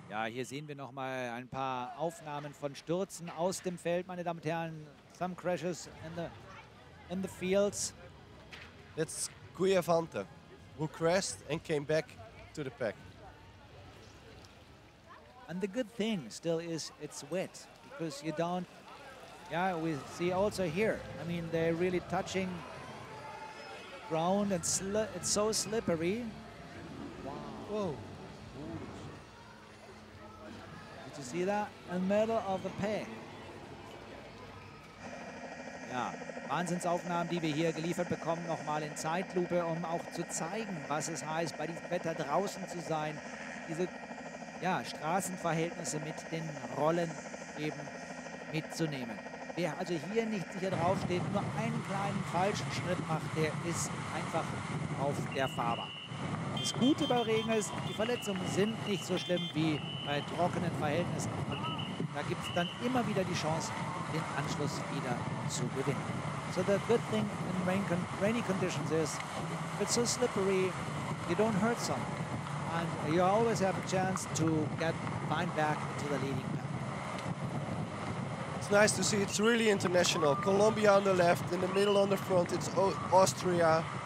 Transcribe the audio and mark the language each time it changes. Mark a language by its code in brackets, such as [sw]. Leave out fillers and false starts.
[de] Hier sehen wir noch mal ein paar Aufnahmen von Stürzen aus dem Feld, meine Damen und Herren. [en] Some crashes in the fields. That's Guiavante, who crashed and came back to the pack. And the good thing still is it's wet, because you don't. Yeah, we see also here. I mean, they're really touching ground, and it's so slippery. Wow. Whoa. To see that in the middle of the pack. [de] Ja, Wahnsinnsaufnahmen, die wir hier geliefert bekommen, nochmal in Zeitlupe, um auch zu zeigen, was es heißt, bei diesem Wetter draußen zu sein. Diese Straßenverhältnisse mit den Rollen eben mitzunehmen. Wer also hier nicht sicher draufsteht, nur einen kleinen falschen Schritt macht, der ist einfach auf der Fahrbahn. Das Gute bei Regen ist, die Verletzungen sind nicht so schlimm wie bei trockenen Verhältnissen. Und da gibt es dann immer wieder die Chance, den Anschluss wieder zu gewinnen. [en] So the good thing in rainy conditions is, it's so slippery, you don't hurt someone. And you always have a chance to get fine back into the leading pack. It's nice to see, it's really international. Colombia on the left, in the middle on the front, it's Austria.